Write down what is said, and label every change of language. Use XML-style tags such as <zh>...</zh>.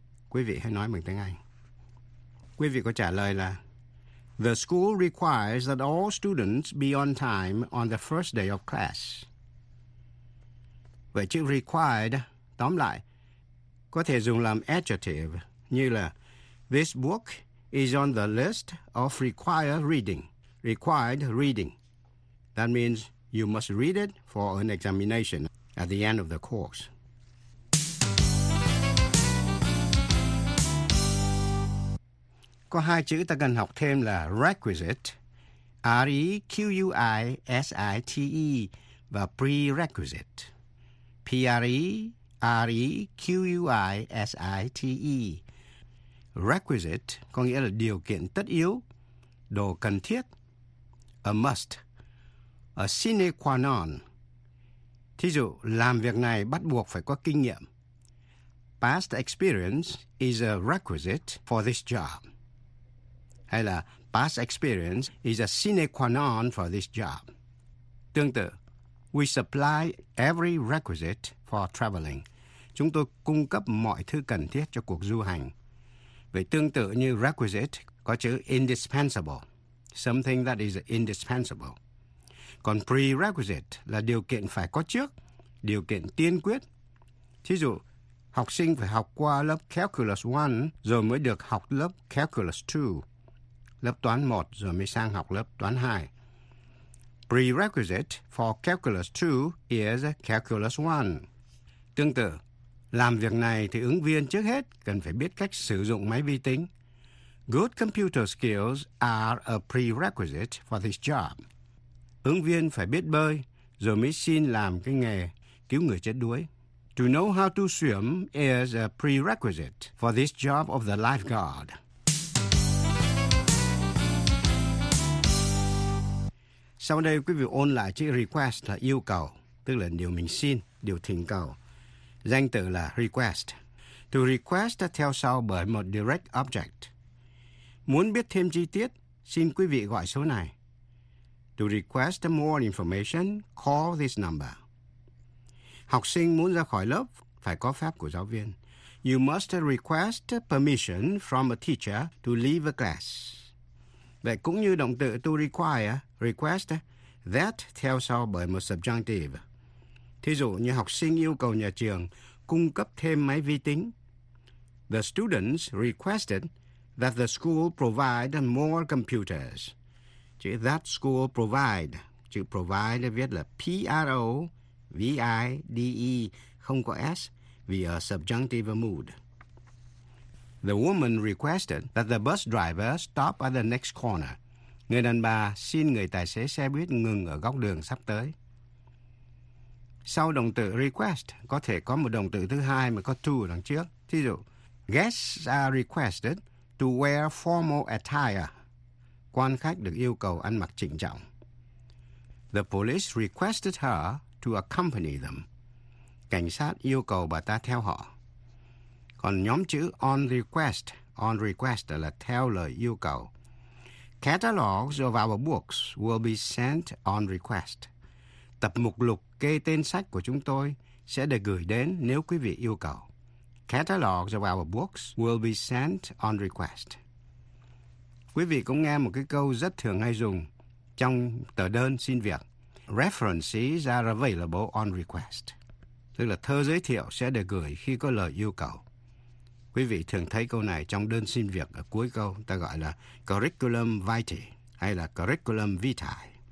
<vi>Quý vị hãy nói bằng tiếng Anh. Quý vị có trả lời là</vi> <en>the school requires that all students be on time on the first day of class.</en> <vi>Vậy chữ required, tóm lại, có thể dùng làm adjective như là</vi> <en>this book is on the list of required reading. Required reading. That means you must read it for an examination at the end of the course.</en> <vi>Có hai chữ ta cần học thêm là requisite, requisite, và prerequisite, prerequisite. Requisite có nghĩa là điều kiện tất yếu, đồ cần thiết, a must, a sine qua non. Thí dụ, làm việc này bắt buộc phải có kinh nghiệm.</vi> <en>Past experience is a requisite for this job. Hay là past experience is a sine qua non for this job.</en> <vi>Tương tự,</vi> <en>we supply every requisite for traveling.</en> <vi>Chúng tôi cung cấp mọi thứ cần thiết cho cuộc du hành. Vậy tương tự như requisite có chữ indispensable,</vi> <en>something that is indispensable.</en> <vi>Còn prerequisite là điều kiện phải có trước, điều kiện tiên quyết. Thí dụ, học sinh phải học qua lớp Calculus 1 rồi mới được học lớp Calculus 2, lớp toán 1 rồi mới sang học lớp toán 2.</vi> <en>Prerequisite for Calculus 2 is Calculus 1.</en> <vi>Tương tự, làm việc này thì ứng viên trước hết cần phải biết cách sử dụng máy vi tính.</vi> <en>Good computer skills are a prerequisite for this job.</en> <vi>Ứng viên phải biết bơi, rồi mới xin làm cái nghề cứu người chết đuối.</vi> <en>To know how to swim is a prerequisite for this job of the lifeguard.</en> <vi>Sau đây, quý vị ôn lại chữ request là yêu cầu, tức là điều mình xin, điều thỉnh cầu. Danh từ là request. To request theo sau bởi một direct object. Muốn biết thêm chi tiết, xin quý vị gọi số này.</vi> <en>To request more information, call this number.</en> <vi>Học sinh muốn ra khỏi lớp, phải có phép của giáo viên.</vi> <en>You must request permission from a teacher to leave a class.</en> <vi>Vậy cũng như động từ to require, request, that theo sau bởi một subjunctive. Thí dụ như học sinh yêu cầu nhà trường cung cấp thêm máy vi tính.</vi> <en>The students requested that the school provide more computers.</en> <vi>Chữ that school provide, chữ provide viết là P-R-O-V-I-D-E, không có S, vì ở subjunctive mood.</vi> <en>The woman requested that the bus driver stop at the next corner.</en> <vi>Người đàn bà xin người tài xế xe buýt ngừng ở góc đường sắp tới. Sau động từ request, có thể có một động từ thứ hai mà có to ở đằng trước. Thí dụ,</vi> <en>guests are requested to wear formal attire.</en> <vi>Quan khách được yêu cầu ăn mặc chỉnh trọng.</vi> <en>The police requested her to accompany them.</en> <vi>Cảnh sát yêu cầu bà ta theo họ. Còn nhóm chữ on request là theo lời yêu cầu.</vi> <en>Catalogs of our books will be sent on request.</en> <vi>Tập mục lục kê tên sách của chúng tôi sẽ được gửi đến nếu quý vị yêu cầu.</vi> <en>Catalogs of our books will be sent on request.</en> <vi>Quý vị cũng nghe một cái câu rất thường hay dùng trong tờ đơn xin việc.</vi> <en>References are available on request.</en> <vi>Tức là thơ giới thiệu sẽ được gửi khi có lời yêu cầu. Quý vị thường thấy câu này trong đơn xin việc ở cuối câu, ta gọi là curriculum vitae hay là curriculum vitae.</vi>